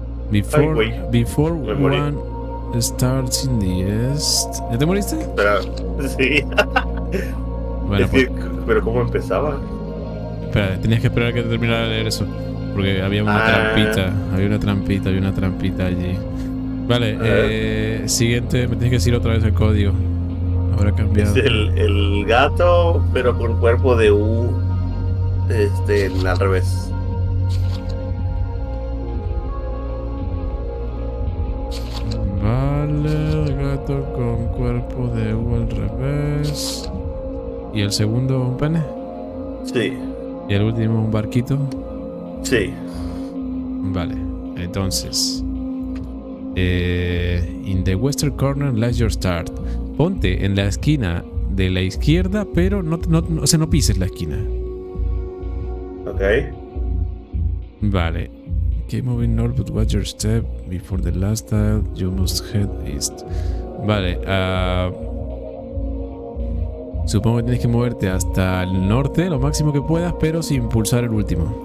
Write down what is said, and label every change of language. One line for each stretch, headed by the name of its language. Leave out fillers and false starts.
English: Before one starts in the east...
Spanish: ¿Ya te moriste? Pero, sí. Bueno, pero ¿cómo empezaba? Espera, tenías que esperar a que te terminara de leer eso. Porque había una trampita. Había una trampita allí. Vale, siguiente. Me tienes que decir otra vez el código. Ahora ha cambiado. Es el gato, pero con cuerpo de U. Al revés. Vale, el gato con cuerpo de U al revés. ¿Y el segundo un pene? Sí. ¿Y el último un barquito? Sí. Vale, entonces.
English: In the western corner lies your start.
Spanish: Ponte en la esquina de la izquierda, pero no pises la esquina. Ok. Vale.
English: Keep moving north, but watch your step before the last tile. You must head east.
Spanish: Vale. Supongo que tienes que moverte hasta el norte lo máximo que puedas, pero sin pulsar el último.